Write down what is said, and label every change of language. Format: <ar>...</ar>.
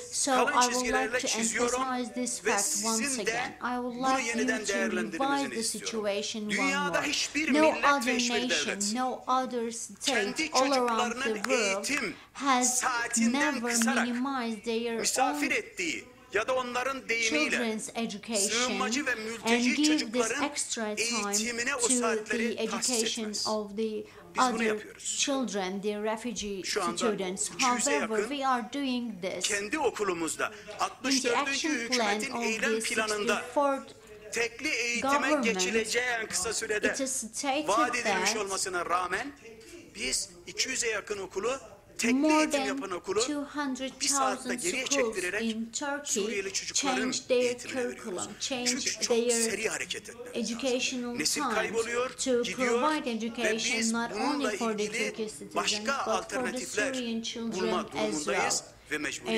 <en>So I would like to emphasize this fact once again. I would like you to revise the situation one more. No other nation, no other state all around the world has never minimized their own</en> <tr>ya da onların deyimiyle sığınmacı ve mülteci çocukların eğitimine o saatleri tahsis etmez.</tr> <en>Other children, the refugee students. However, we are doing this</en> <tr>kendi okulumuzda, 64. hükümetin eylem planında tekli eğitime geçileceği en kısa sürede vaat edilmiş olmasına rağmen biz 200'e yakın okulu</tr> <en>more than 200,000 schools in Turkey changed their curriculum, changed their educational time to provide education not only for the Turkish citizens but for the Syrian children as well.</en>